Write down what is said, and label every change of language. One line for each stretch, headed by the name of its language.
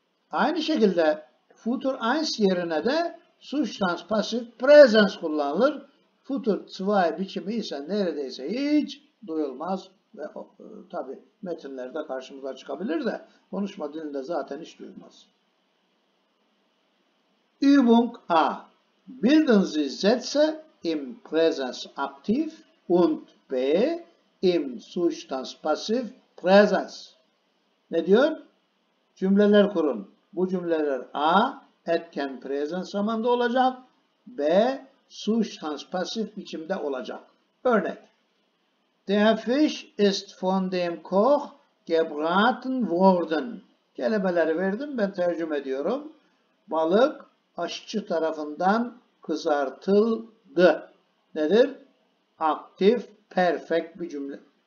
Turkish: Aynı şekilde future eins yerine de substance passive presence kullanılır. Future zwei biçimi ise neredeyse hiç duyulmaz ve tabi metinlerde karşımıza çıkabilir de konuşma dilinde zaten hiç duyulmaz.
German: Übung A. Bilden Sie Sätze im Präsens aktiv und B im Zustand passiv Präsens.
Turkish: Ne diyor? Cümleler kurun. Bu cümleler A etken präsens zamanda olacak, B Zustand passiv biçimde olacak. Örnek.
German: Der Fisch ist von dem Koch gebraten worden.
Turkish: Kelimeleri verdim, ben tercüme ediyorum. Balık aşçı tarafından kızartıldı. Nedir? Aktif, perfect bir cümle.